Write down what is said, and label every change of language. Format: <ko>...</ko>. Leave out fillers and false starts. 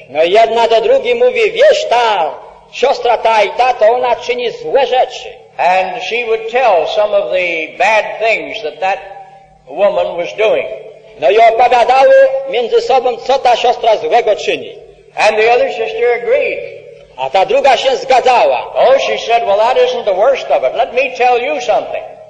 <pl>No jedna do drugiej mówi, wiesz ta siostra ta i ta, to ona czyni złe rzeczy.</pl> <en>And she would tell some of the bad things that that woman was doing.</en> <pl>No i opowiadały między sobą, co ta siostra złego czyni.</pl> <en>And the other sister agreed.</en> <pl>A ta druga się zgadzała.</pl> <en>Oh, she said, well, that isn't the worst of it. Let me tell you something.</en>